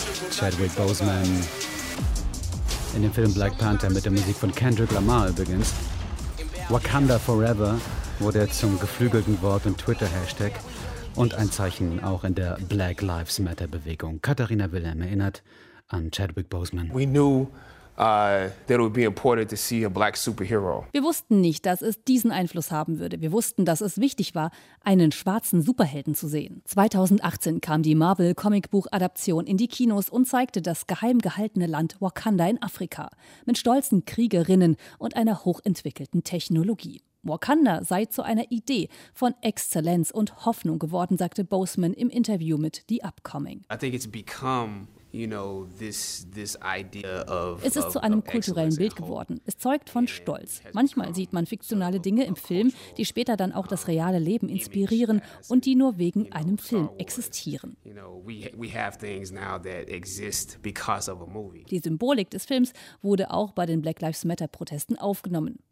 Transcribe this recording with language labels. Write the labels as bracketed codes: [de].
[de] Chadwick Boseman in dem Film Black Panther mit der Musik von Kendrick Lamar übrigens. Wakanda Forever wurde zum geflügelten Wort und Twitter-Hashtag und ein Zeichen auch in der Black Lives Matter-Bewegung. Katharina Wilhelm erinnert an Chadwick Boseman. [en] We knew that it would be important to see a black superhero. [de] Wir wussten nicht, dass es diesen Einfluss haben würde. Wir wussten, dass es wichtig war, einen schwarzen Superhelden zu sehen. 2018 kam die Marvel-Comicbuch-Adaption in die Kinos und zeigte das geheim gehaltene Land Wakanda in Afrika mit stolzen Kriegerinnen und einer hochentwickelten Technologie. Wakanda sei zu einer Idee von Exzellenz und Hoffnung geworden, sagte Boseman im Interview mit The Upcoming. [en] I think it's become, you know, this idea of, [de] es ist zu einem kulturellen Bild geworden. Es zeugt von Stolz. Manchmal sieht man fiktionale Dinge im Film, die später dann auch das reale Leben inspirieren und die nur wegen einem Film existieren. Die Symbolik des Films wurde auch bei den Black Lives Matter-Protesten aufgenommen.